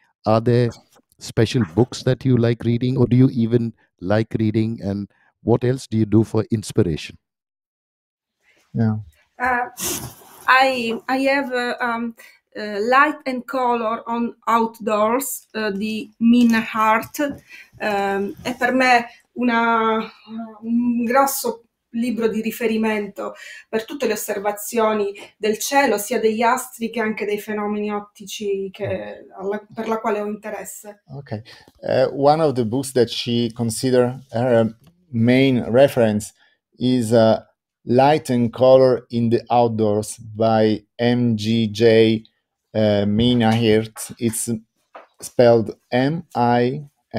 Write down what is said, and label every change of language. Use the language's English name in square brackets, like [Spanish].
[English] Are there special books that you like reading, or do you even like reading? And what else do you do for inspiration? I have Light and Color on Outdoors di Mina Hart. [Italian] È per me un grosso libro di riferimento per tutte le osservazioni del cielo, sia degli astri che anche dei fenomeni ottici per la quale ho interesse. [English] Ok. One of the books that she considers her main reference is Light and Color in the Outdoors by MGJ Mina Hirt. It's spelled MINNAERT.